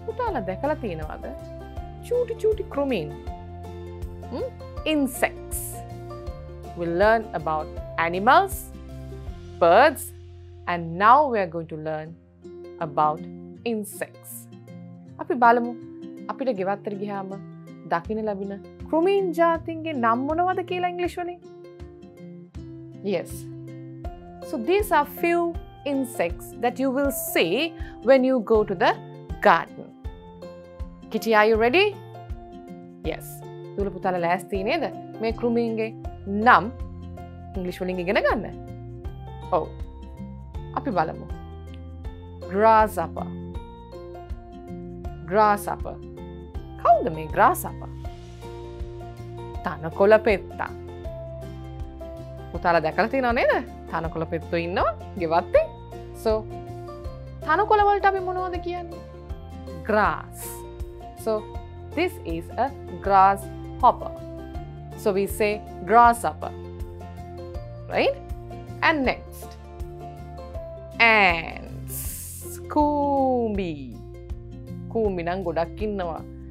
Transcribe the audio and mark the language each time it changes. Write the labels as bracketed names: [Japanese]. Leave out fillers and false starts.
[Sinhala] ලා දැකලා තියෙනවද චූටි චූටි ක්‍රුමීන් [English] insects we learn about animals birds and now we are going to learn about insects [Sinhala] අපි බලමු අපිට ගෙවත්තට ගියාම දකින්න ලැබෙන ක්‍රුමීන් ජාතින්ගේ නම් මොනවද කියලා ඉංග්‍රීසි වලින් [English] yes so these are few insects that you will see when you go to the garden Kitty, are you ready? Yes. [Sinhala] දුල පුතාල ලෑස්ති නේද මේ කෘමීන්ගේ නම් ඉංග්‍රීසි වලින් ඉගෙන ගන්න? ඔව්. අපි බලමු. [English] Grasshopper. Grasshopper. [Sinhala] කවුද මේ grasshopper? තනකොළ පෙත්තා. පුතාලා දැකලා තියනවා නේද? තනකොළ පෙත්තු ඉන්නවා ගෙවත්තේ. So තනකොළ වලට අපි මොනවද කියන්නේ? [English] Grass. So this is a grasshopper. So we say grasshopper. Right? And next. [Sinhala] Ants. Kumbi. Kumbi nan godak innawa.